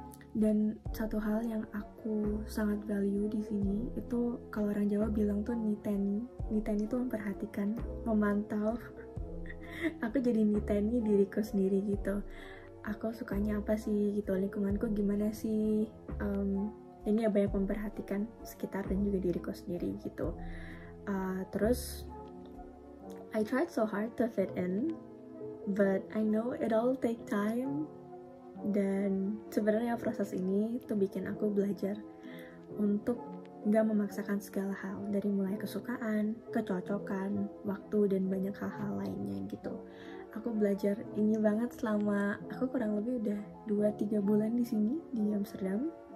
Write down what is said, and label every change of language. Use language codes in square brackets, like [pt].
[id] Dan satu hal yang aku sangat value di sini itu kalau orang Jawa bilang tuh niteni. Niteni itu memperhatikan, memantau. Aku jadi niteni diriku sendiri gitu. Aku sukanya apa sih gitu, lingkunganku gimana sih. Ini ya banyak memperhatikan sekitar dan juga diriku sendiri gitu. Terus [en] I tried so hard to fit in, but I know it all take time. [id] Dan sebenarnya proses ini tuh bikin aku belajar untuk gak memaksakan segala hal, dari mulai kesukaan, kecocokan, waktu, dan banyak hal-hal lainnya gitu. Aku belajar ini banget selama aku kurang lebih udah 2-3 bulan di sini di Amsterdam.